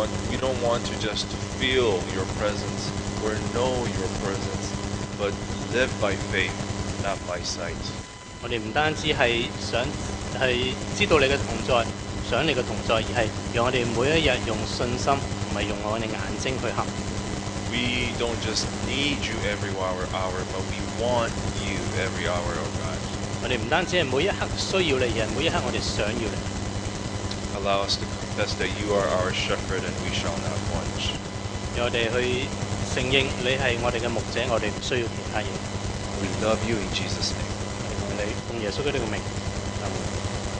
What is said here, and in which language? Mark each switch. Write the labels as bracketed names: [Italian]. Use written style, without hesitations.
[English] We don't want to just feel your presence or know your presence, but live by faith, not by sight. [Chinese] 我们不单只是想是知道你的同在，想你的同在，而是让我们每一天用信心，不是用我们的眼睛去行。 [English] We don't just need you every hour, but we want you every hour, oh God. [Chinese] 我们不单只是每一刻需要你，而是每一刻我们想要你。 [English] Allow us to confess that you are our shepherd and we shall not want. [Chinese] 让我们去承认你是我们的牧者，我们不需要其他东西。 [English] We love you in Jesus' name. [Chinese] 你奉耶稣基督的名，阿门。